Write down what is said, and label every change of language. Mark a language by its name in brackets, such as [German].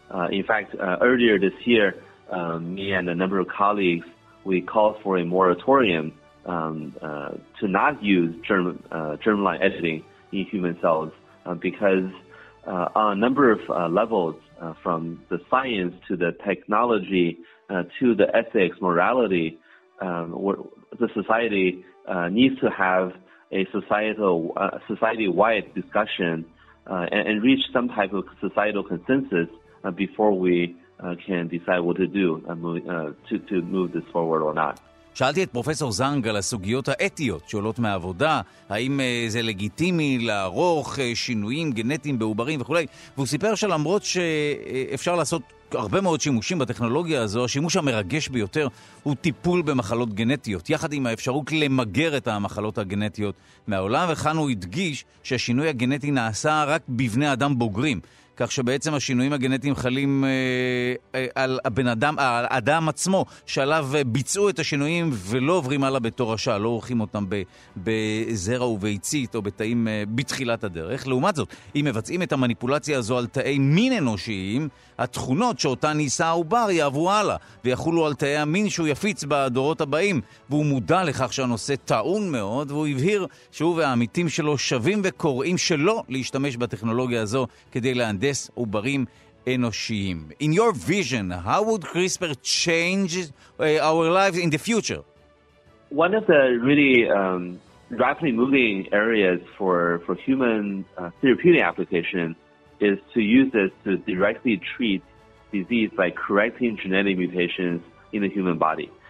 [English] In fact, earlier this year, me and a number of colleagues, we called for a moratorium to not use germline editing in human cells because on a number of levels, from the science to the technology to the ethics, morality, the society needs to have a society-wide discussion and reach some type of societal consensus before we can decide what to do to move this forward or not. [Hebrew] שאלתי את פרופסור זנג על הסוגיות האתיות שעולות מהעבודה, האם זה לגיטימי לערוך שינויים גנטיים בעוברים וכולי, והוא סיפר שלמרות שאפשר לעשות הרבה מאוד שימושים בטכנולוגיה הזו, השימוש המרגש ביותר הוא טיפול במחלות גנטיות, יחד עם האפשרות למגר את המחלות הגנטיות מהעולם, וכאן הוא הדגיש שהשינוי הגנטי נעשה רק בבני אדם בוגרים, כך שבעצם השינויים הגנטיים חלים על הבן אדם, על האדם עצמו, שעליו ביצעו את השינויים ולא עוברים הלאה בתור השעה, לא עורכים אותם בזרע וביצית או בתאים בתחילת הדרך. לעומת זאת, אם מבצעים את המניפולציה הזו על תאי מין אנושיים, התכונות שאותה ניסה העובר יעברו הלאה ויחולו על תאי המין שהוא יפיץ בדורות הבאים. והוא מודע לכך שהנושא טעון מאוד, והוא הבהיר שהוא והעמיתים שלו שווים וקוראים שלא להשתמש בטכנולוגיה הזו כדי להנדס עוברים אנושיים. [English] In your vision, how would CRISPR change our lives in the future? One of the really rapidly moving areas for human therapeutic application is to use this to directly treat disease by correcting genetic mutations in the human body.